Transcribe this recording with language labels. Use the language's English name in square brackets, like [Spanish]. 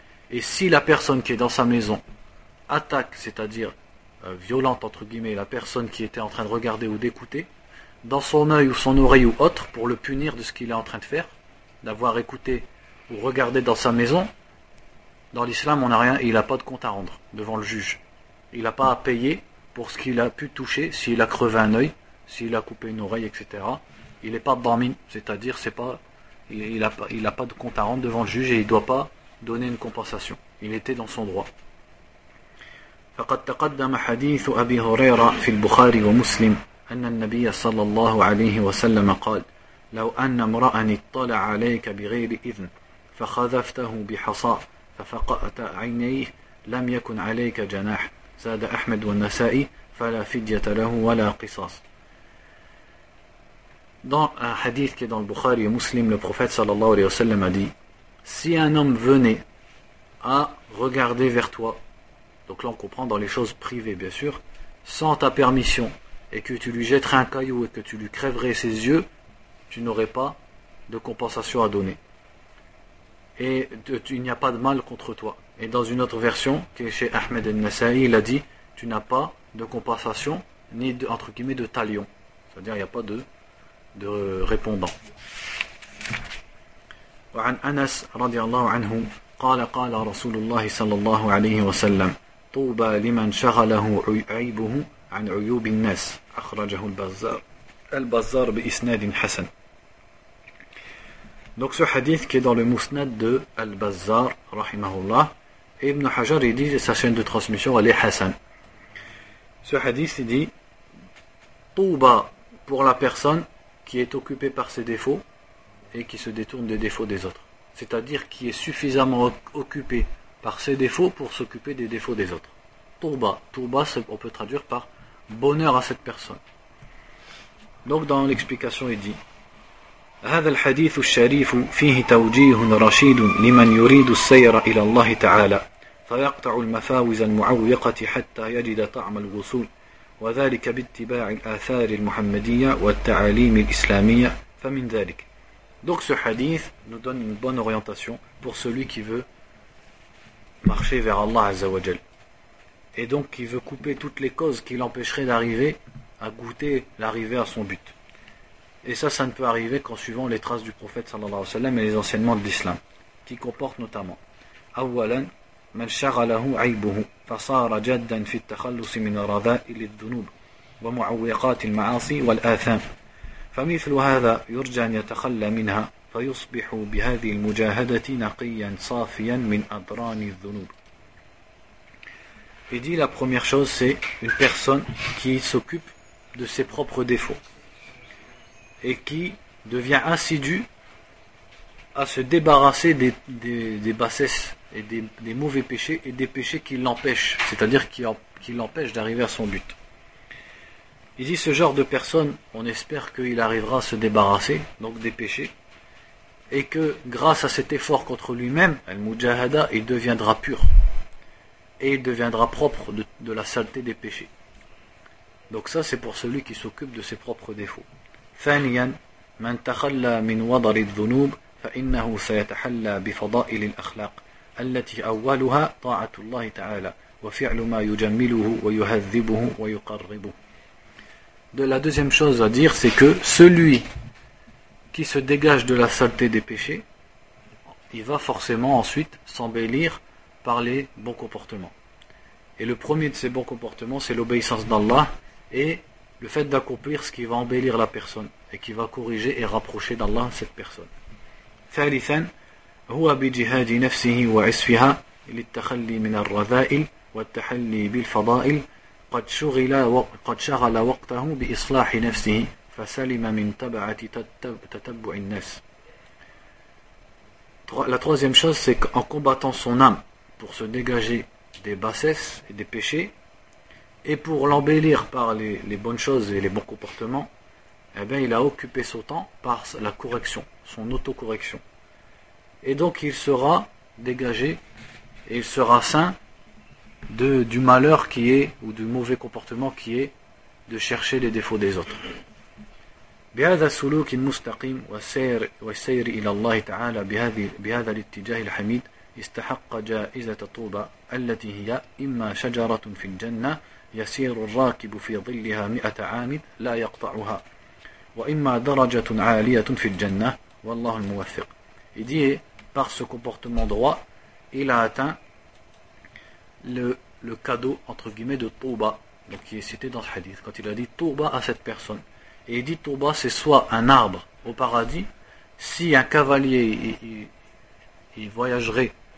[French] Et si la personne qui est dans sa maison attaque, c'est-à-dire violente entre guillemets, la personne qui était en train de regarder ou d'écouter, dans son œil ou son oreille ou autre, pour le punir de ce qu'il est en train de faire, d'avoir écouté ou regardé dans sa maison, dans l'islam on n'a rien, il n'a pas de compte à rendre devant le juge. Il n'a pas à payer pour ce qu'il a pu toucher, s'il a crevé un œil, s'il a coupé une oreille, etc. Il n'est pas dhamin, c'est-à-dire c'est pas, il a pas de compte à rendre devant le juge et il ne doit pas donner une compensation. Il était dans son droit. [Arabic] فقد تقدم حديث أبي هريرة في البخاري ومسلم أن النبي صلى الله عليه وسلم قال لو أن امرأ اطلع عليك بغير إذن فخذفته بحصاء ففقأت عينيه لم يكن عليك جناح زاد أحمد والنسائي فلا فدية له ولا قصاص. [French] Dans un hadith qui est dans le Bukhari et Muslim, le prophète sallallahu alayhi wa sallam a dit « Si un homme venait à regarder vers toi, donc là on comprend dans les choses privées bien sûr, sans ta permission, et que tu lui jetterais un caillou et que tu lui crèverais ses yeux, tu n'aurais pas de compensation à donner. Et il n'y a pas de mal contre toi. » Et dans une autre version, qui est chez Ahmed al-Nasa'i, il a dit « Tu n'as pas de compensation, ni de, entre guillemets, de talion. » C'est-à-dire il n'y a pas de répondant. [Arabic] وعن أنس رضي الله عنه قال قال رسول الله صلى الله عليه وسلم طوبى لمن شغله عيبه عن عيوب الناس أخرجه البزار بإسناد حسن. [French] Donc ce hadith qui est dans le musnad de Al-Bazzar rahimahullah, Ibn Hajar il dit sa chaîne de transmission elle est Hassan. Ce hadith il dit Touba pour la personne qui est occupé par ses défauts et qui se détourne des défauts des autres. C'est-à-dire qui est suffisamment occupé par ses défauts pour s'occuper des défauts des autres. Tourba. Tourba, on peut traduire par bonheur à cette personne. Donc dans l'explication, il dit [Arabic] « هذا الحديث الشريف فيه توجيه رشيد لمن يريد السير إلى الله تعالى فيقطع المفاوز المعوقة حتى يجد طعم الوصول وذلك باتباع الآثار المحمدية والتعاليم الإسلامية فمن ذلك. [French] Donc ce hadith nous donne une bonne orientation pour celui qui veut marcher vers Allah Azza wa Jal. Et donc qui veut couper toutes les causes qui l'empêcheraient d'arriver à goûter l'arrivée à son but. Et ça ne peut arriver qu'en suivant les traces du prophète sallallahu alayhi wa sallam et les enseignements de l'islam qui comportent notamment [Arabic] awwalan من شغله عيبه فصار جدا في التخلص من رذائل الذنوب ومعوقات المعاصي والآثام فمثل هذا يرجى أن يتخلى منها فيصبح بهذه المجاهدة نقيا صافيا من أضران الذنوب. [French] Il dit la première chose, c'est une personne qui s'occupe de ses propres défauts et qui devient assidu à se débarrasser des bassesses et des mauvais péchés, et des péchés qui l'empêchent, c'est-à-dire qui l'empêchent d'arriver à son but. Il dit ce genre de personne, on espère qu'il arrivera à se débarrasser, donc des péchés, et que grâce à cet effort contre lui-même, Al-Mujahada, il deviendra pur, et il deviendra propre de la saleté des péchés. Donc ça, c'est pour celui qui s'occupe de ses propres défauts. [Arabic] ثانياً من تخلى من وضر الذنوب فإنه سيتحلى بفضائل الأخلاق التي أولها طاعة الله تعالى وفعل ما يجمله ويهذبه ويقربه. [French] De la deuxième chose à dire, c'est que celui qui se dégage de la saleté des péchés, il va forcément ensuite s'embellir par les bons comportements. Et le premier de ces bons comportements, c'est l'obéissance d'Allah et le fait d'accomplir ce qui va embellir la personne et qui va corriger et rapprocher d'Allah cette personne. [Arabic] ثالثاً هو بجهاد نفسه وعسفها للتخلي من الرذائل والتحلي بالفضائل قد شغل وقته بإصلاح نفسه فسلم من تبعة تتبع الناس. [French] La troisième chose, c'est qu'en combattant son âme pour se dégager des bassesses et des péchés et pour l'embellir par les bonnes choses et les bons comportements, eh bien, il a occupé son temps par la correction, son autocorrection. Et donc il sera dégagé et il sera saint du malheur qui est, ou du mauvais comportement qui est, de chercher les défauts des autres. [Arabic] بهذا السلوك المستقيم والسير إلى الله تعالى بهذا الاتجاه الحميد استحق جائزة طوبة التي هي إما شجرة في الجنة يسير الراكب في ظلها 100 عام لا يقطعها وإما درجة عالية في الجنة والله الموفق. [French] Il dit, par ce comportement droit, il a atteint le cadeau, entre guillemets, de Touba, donc qui est cité dans le hadith, quand il a dit Touba à cette personne. Et il dit Touba, c'est soit un arbre au paradis, si un cavalier il voyagerait